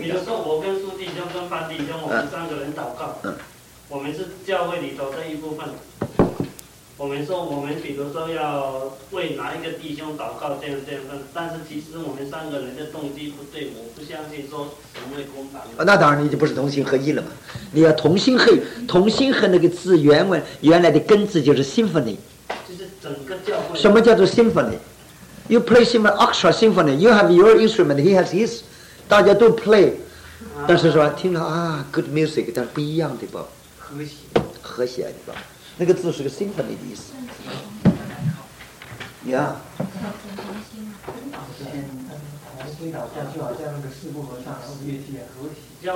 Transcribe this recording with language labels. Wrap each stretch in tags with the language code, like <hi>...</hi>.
<zh>比如说我跟苏弟兄跟范弟兄，我们三个人祷告，我们是教会里头的一部分，我们说我们比如说要为哪一个弟兄祷告这样这样，但是其实我们三个人的动机不对，我不相信说神会公平。那当然你就不是同心合一了嘛，你要同心合，同心合那个字原来的根字就是 symphony，就是整个教会。什么叫做 symphony？</zh> <en>You play symphony, orchestra symphony, you have your instrument, he has his.</en> <zh>大家都 play. 但是说听到啊</zh> <en>good music,</en> <zh>但是不一样的吧。和谐的吧。那个字是个 symphony 的意思。</zh> <en>Yeah.</en>